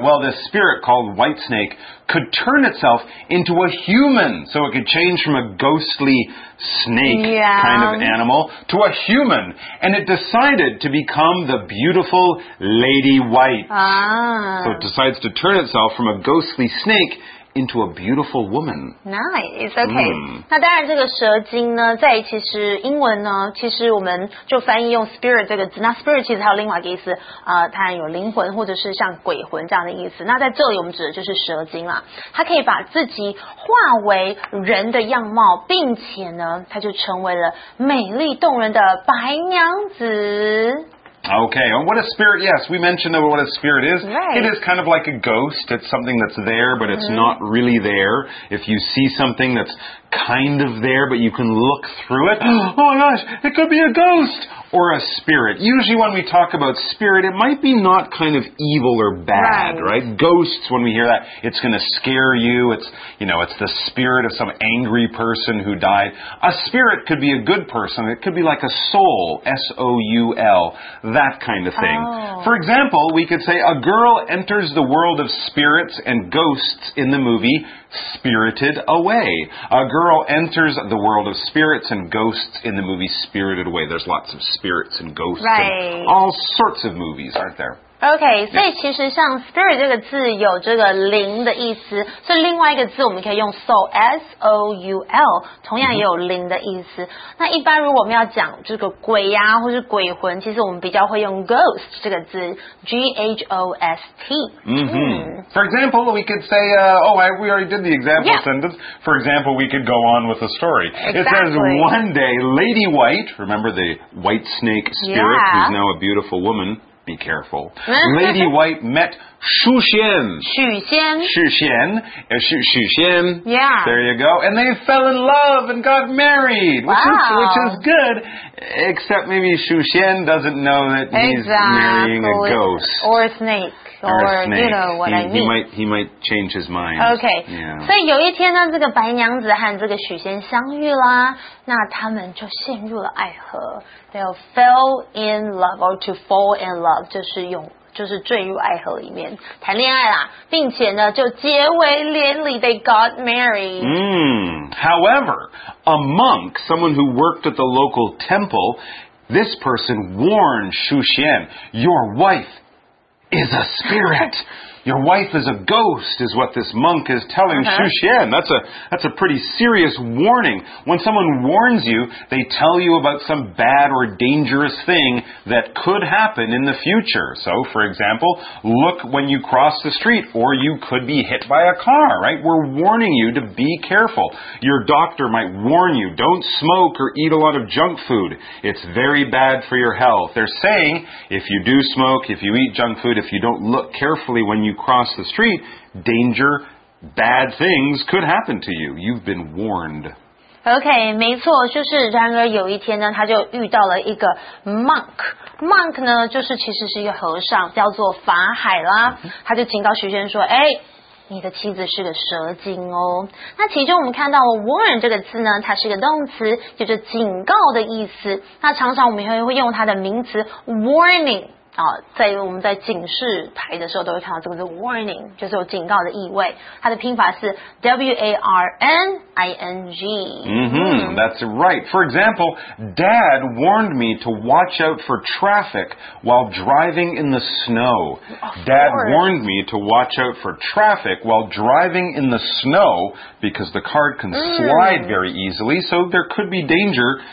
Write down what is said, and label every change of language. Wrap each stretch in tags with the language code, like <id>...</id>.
<en>Well, this spirit called white snake could turn itself into a human. So it could change from a ghostly snake、 yeah. kind of animal to a human. And it decided to become the beautiful Lady White. Ah. So it decides to turn itself from a ghostly snake. Into a beautiful woman. Nice, okay.、Mm.</en> <zh>那当然这个蛇精呢在其实英文呢其实我们就翻译用 spirit 这个字那 spirit 其实还有另外一个意思、它有灵魂或者是像鬼魂这样的意思那在这里我们指的就是蛇精啦它可以把自己化为人的样貌并且呢它就成为了美丽动人的白娘子</zh> <en>Okay, and what a spirit, yes, we mentioned what a spirit is. Right. It is kind of like a ghost. It's something that's there, but it's、mm-hmm. not really there. If you see something that's kind of there, but you can look through it, oh my gosh, it could be a ghost or a spirit. Usually when we talk about spirit, it might be not kind of evil or bad, right? Ghosts, when we hear that, it's going to scare you. It's, you know, it's the spirit of some angry person who died. A spirit could be a good person. It could be like a soul, S-O-U-L. That kind of thing.、 Oh. For example, we could say a girl enters the world of spirits and ghosts in the movie Spirited Away. A girl enters the world of spirits and ghosts in the movie Spirited Away. There's lots of spirits and ghosts、 right. and all sorts of movies, aren't there?</en> <zh>OK， 所以其实像 spirit 这个字有这个灵的意思，所以另外一个字我们可以用 soul， S-O-U-L， 同样也有灵的意思。那一般如果我们要讲这个鬼啊或是鬼魂，其实我们比较会用 ghost 这个字， G-H-O-S-T、</zh> <en>mm-hmm. For example, we could say、we already did the example、 yeah. sentence. For example, we could go on with the story、 exactly. It says one day Lady White, remember the white snake spirit、 yeah. who's now a beautiful womanBe careful. Lady White met Shu Xian. Shu Xian. Shu Xian. Shu Xian. Yeah. There you go. And they fell in love and got married. Wow. Which is good. Except maybe Shu Xian doesn't know that he's、 exactly. marrying a ghost. Or a snake. Or, you know what I mean. He might change his mind. Okay.、 Yeah.</en> <zh>所以有一天呢，这个白娘子和这个许仙相遇啦，那他们就陷入了爱河。</zh> <en>They fell in love,</en> <zh>or to fall in love, 就是坠入爱河里面谈恋爱啦，并且呢就结为连理。</zh> <en>They got married. However, a monk, someone who worked at the local temple, this person warned Shu Xian, "Your wife." Is a spirit. Your wife is a ghost, is what this monk is telling、 uh-huh. Shu Xian. That's a pretty serious warning. When someone warns you, they tell you about some bad or dangerous thing that could happen in the future. So, for example, look when you cross the street, or you could be hit by a car, right? We're warning you to be careful. Your doctor might warn you, don't smoke or eat a lot of junk food. It's very bad for your health. They're saying, if you do smoke, if you eat junk food, if you don't look carefully when you cross the street, danger, bad things could happen to you. You've been warned.</en> <zh>OK, 没错，就是然而有一天呢，他就遇到了一个 monk. Monk 呢，就是其实是一个和尚，叫做法海啦。他就警告徐轩说，哎，你的妻子是个蛇精哦。那其中我们看到 warn 这个字呢，它是个动词，就是警告的意思。那常常我们会用它的名词 warning。啊、在我们在警示牌的时候都会看到这个是 warning， 就是有警告的意味。它的拼法是 W-A-R-N-I-N-G。</zh> <en>Mm-hmm, that's right. For example, Dad warned me to watch out for traffic while driving in the snow. Dad warned me to watch out for traffic while driving in the snow because the car can slide very easily, so there could be danger.</en>